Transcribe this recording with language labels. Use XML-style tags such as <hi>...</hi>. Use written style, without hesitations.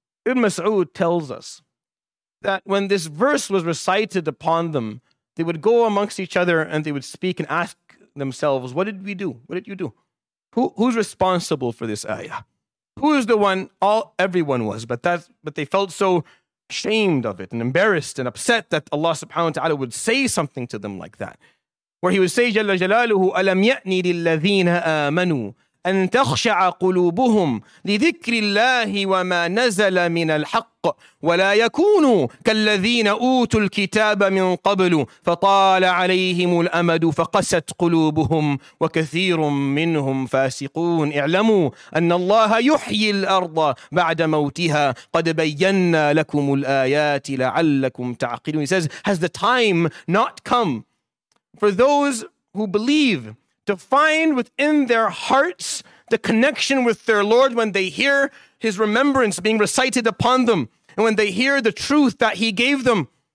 <en>Ibn Mas'ud tells us that when this verse was recited upon them, they would go amongst each other and they would speak and ask themselves, what did we do? What did you do? Who's responsible for this ayah? Who is the one? Everyone was, but they felt so ashamed of it and embarrassed and upset that Allah subhanahu wa ta'ala would say something to them like that. Where He would say,</en> <ar>Jalla Jalaluhu, أَلَمْ يَأْنِ لِلَّذِينَ آمَنُوا أَن تَخْشَعَ قُلُوبُهُمْ لِذِكْرِ اللَّهِ وَمَا نَزَلَ مِنَ الْحَقِّ وَلَا يَكُونُوا كَالَّذِينَ أُوتُوا الْكِتَابَ مِنْ قَبْلُ فَطَالَ عَلَيْهِمُ الْأَمَدُ فَقَسَتْ قُلُوبُهُمْ وَكَثِيرٌ مِّنْهُمْ فَاسِقُونَ. اعْلَمُوا أَنَّ اللَّهَ يُحْيِي الْأَرْضَ بَعْدَ مَوْتِهَا قَدْ بَيَّنَّا لَكُمُ الْآيَاتِ لَعَلَّكُمْ تَعْقِلُونَ.</ar> <en>He says, has the time not come for those who believe to find within their hearts the connection with their Lord when they hear his remembrance being recited upon them and when they hear the truth that he gave them?</en>